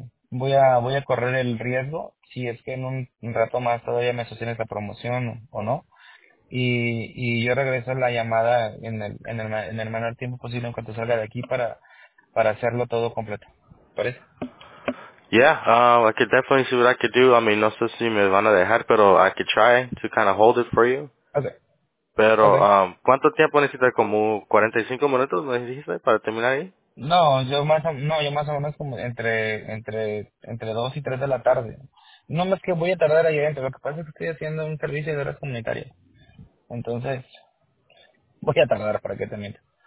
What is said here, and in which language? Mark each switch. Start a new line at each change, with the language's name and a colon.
Spanish: Voy a correr el riesgo, si es que en un rato más todavía me sostiene esta promoción o no. Y yo regreso la llamada en el menor tiempo posible en cuanto salga de aquí para hacerlo todo completo. ¿Parece?
English: I could definitely see what I could do. I mean,
Spanish: no sé si me van a dejar, pero
English: I could try to kind of hold it for you. Okay.
Spanish: Pero, ¿cuánto tiempo necesitas? ¿Como 45 minutos, me dijiste, para terminar ahí? No, yo más o menos como entre 2 y 3 de la tarde. No más que voy a tardar ahí adentro. Lo que pasa es que estoy haciendo un servicio de horas comunitarias. Entonces, voy a tardar para que te mientas.